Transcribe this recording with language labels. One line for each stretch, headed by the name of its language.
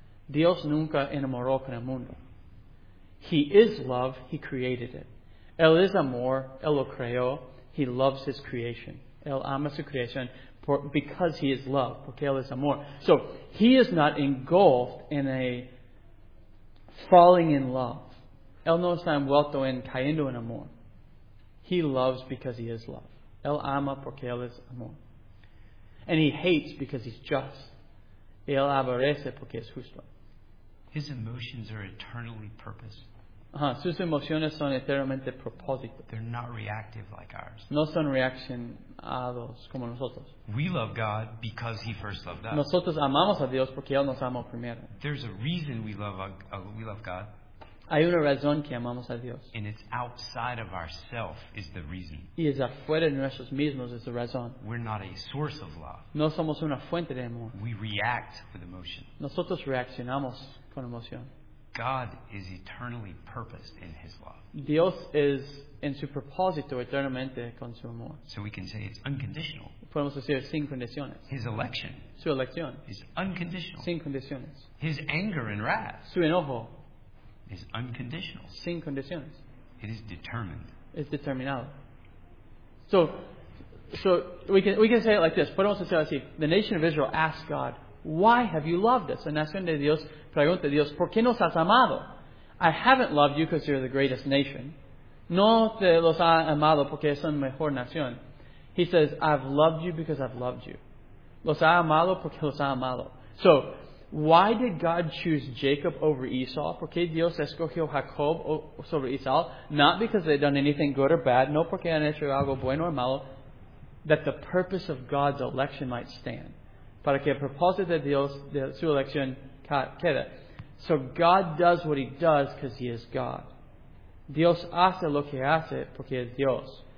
Spanish: Dios nunca enamoró con el mundo.
English: He is love. He created it.
Spanish: Él es amor. Él lo creó.
English: He loves his creation.
Spanish: Él ama su creación.
English: Because he is love,
Spanish: porque él es amor.
English: So he is not engulfed in a falling in love.
Spanish: Él no está envuelto en cayendo en amor.
English: He loves because he is love.
Spanish: Él ama porque él es amor.
English: And he hates because he's just.
Spanish: Él aborrece porque es justo.
English: His emotions are eternally purposed.
Spanish: Sus emociones son eternamente propósito.
English: They're not reactive like ours.
Spanish: No son reaccionados como nosotros.
English: We love God because he first loved us.
Spanish: Nosotros amamos a Dios porque él nos amó primero.
English: There's a reason we love God.
Spanish: Hay una razón que amamos a Dios.
English: And it's outside of ourself is the reason.
Spanish: Y es afuera de nosotros mismos es la razón.
English: We're not a source of love.
Spanish: No somos una fuente de amor.
English: We react with emotion.
Spanish: Nosotros reaccionamos con emoción.
English: God is eternally purposed in his love.
Spanish: Dios es en su propósito eternamente con su amor.
English: So we can say it's unconditional.
Spanish: Podemos decir sin condiciones.
English: His election.
Spanish: Su elección.
English: Is unconditional.
Spanish: Sin condiciones.
English: His anger and wrath.
Spanish: Su enojo.
English: Is unconditional.
Spanish: Sin condiciones.
English: It is determined.
Spanish: Es determinado.
English: So we can say it like this.
Spanish: Podemos decir así.
English: The nation of Israel asked God, why have you loved us?
Spanish: La nación de Dios pregunta a Dios, ¿por qué nos has amado?
English: I haven't loved you because you're the greatest nation.
Spanish: No te los ha amado porque es la mejor nación.
English: He says, I've loved you because I've loved you.
Spanish: Los ha amado porque los ha amado.
English: So, why did God choose Jacob over Esau?
Spanish: ¿Por qué Dios escogió Jacob sobre Esau?
English: Not because they've done anything good or bad.
Spanish: No porque han hecho algo bueno o malo.
English: That the purpose of God's election might stand.
Spanish: Para que el propósito de Dios, de su elección, quede.
English: So God does what he does because he is God.
Spanish: Dios hace lo que hace porque es Dios.